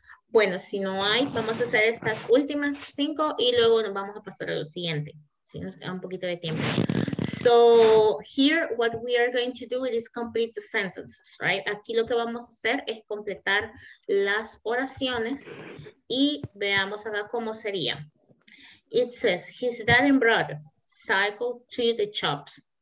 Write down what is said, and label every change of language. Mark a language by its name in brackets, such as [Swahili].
[Spanish] Bueno, si no hay, vamos a hacer estas últimas 5 y luego nos vamos a pasar a lo siguiente. si nos queda un poquito de tiempo. [English] So here what we are going to do is complete the sentences, right? [Spanish] Aquí lo que vamos a hacer es completar las oraciones y veamos acá cómo sería. [English] It says, his dad and brother cycle to the shops.